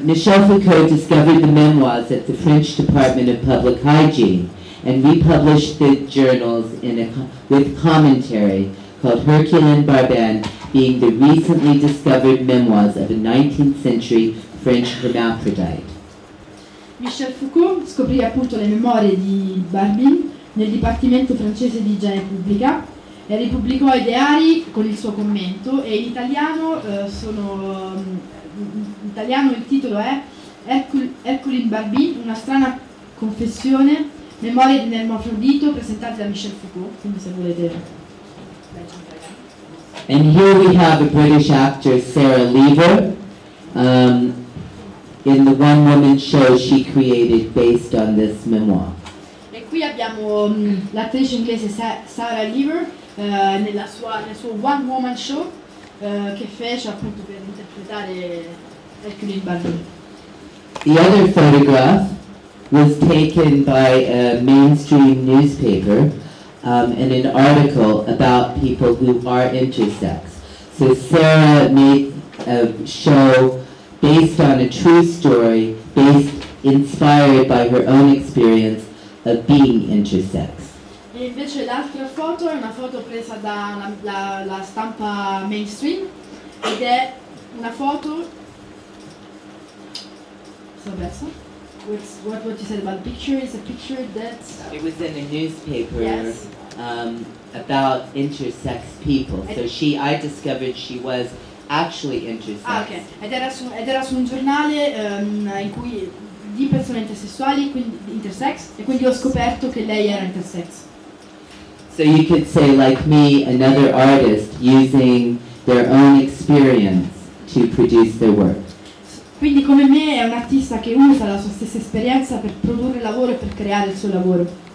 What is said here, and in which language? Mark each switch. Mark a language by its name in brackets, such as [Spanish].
[English] Michel Foucault discovered the memoirs at the French Department of Public Hygiene and republished the journals with commentary called Herculean Barbin, being the recently discovered memoirs of a 19th century French hermaphrodite. [Italian] Michel Foucault scoprì appunto le memorie di Barbin nel Dipartimento francese di igiene pubblica e ripubblicò i diari con il suo commento e in italiano il titolo è Ercole in Barbie, una strana confessione, memoria di un ermafrodito presentata da Michel Foucault, quindi se volete. [English] And here we have a British actress, Sarah Lever, in the one-woman show she created based on this memoir. [Italian] E qui abbiamo l'attrice inglese Sarah Lever nel suo one-woman show che fece appunto per interpretare Hercule Barbie. [English] The other photograph was taken by a mainstream newspaper. In an article about people who are intersex. So Sarah made a show based on a true story, inspired by her own experience of being intersex. [Italian] E invece l'altra foto è una foto presa da la stampa mainstream ed è una foto. [English] What you said about the picture is a picture that it was in a newspaper. Yes. About intersex people. So I discovered she was actually intersex. Ah, okay. [Italian] Ed era su un giornale in cui di persone intersessuali, quindi intersex, e quindi ho scoperto che lei era intersex. [English] So you could say like me, another artist using their own experience to produce their work. [Italian] Quindi come me è un artista che usa la sua stessa esperienza per produrre lavoro e per creare il suo lavoro.